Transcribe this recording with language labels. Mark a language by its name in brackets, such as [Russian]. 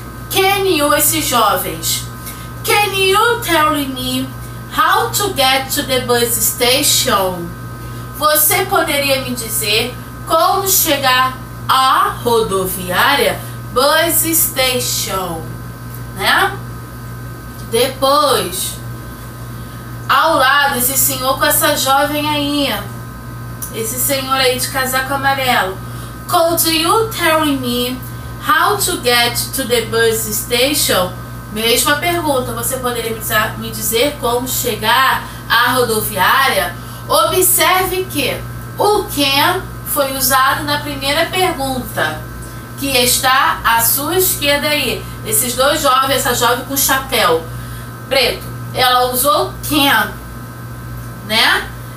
[English] Can you, [Portuguese] esses jovens, [English] can you tell me how to get to the bus station? [Portuguese] Você poderia me dizer como chegar à rodoviária? [English] Bus station, [Portuguese] né? Depois, ao lado, esse senhor com essa jovem aí, esse senhor aí de casaco amarelo. [English] Could you tell me how to get to the bus station? [Portuguese] Mesma pergunta, você poderia me dizer como chegar à rodoviária? Observe que o can foi usado na primeira pergunta, que está à sua esquerda aí. Esses dois jovens, essa jovem com chapéu preto, ela usou can, né?